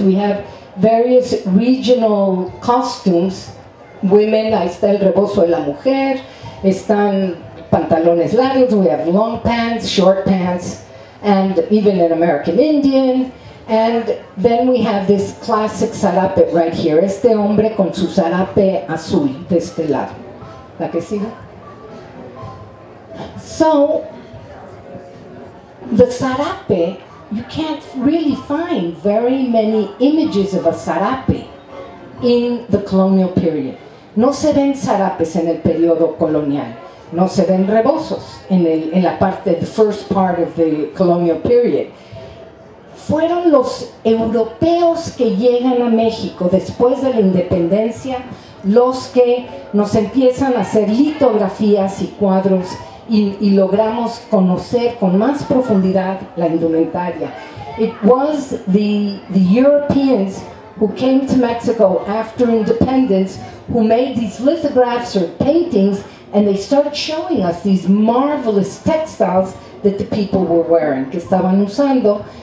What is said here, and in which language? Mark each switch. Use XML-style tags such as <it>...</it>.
<en>We have various regional costumes. Women,</en> <es>ahí está el rebozo de la mujer, están pantalones largos,</es> <en>we have long pants, short pants, and even an American Indian. And then we have this classic zarape right here.</en> <es>Este hombre con su zarape azul de este lado. ¿La que sigue?</es> <en>So, the zarape, you can't really find very many images of a zarape in the colonial period.</en> <es>No se ven zarapes en el periodo colonial. No se ven rebozos en la parte,</es> <en>the first part of the colonial period.</en> <es>Fueron los europeos que llegan a México después de la independencia los que nos empiezan a hacer litografías y cuadros y logramos conocer con más profundidad la indumentaria.</es> <en>It was the Europeans who came to Mexico after independence who made these lithographs or paintings, and they start showing us these marvelous textiles that the people were wearing,</en> <es>que estaban usando.</es>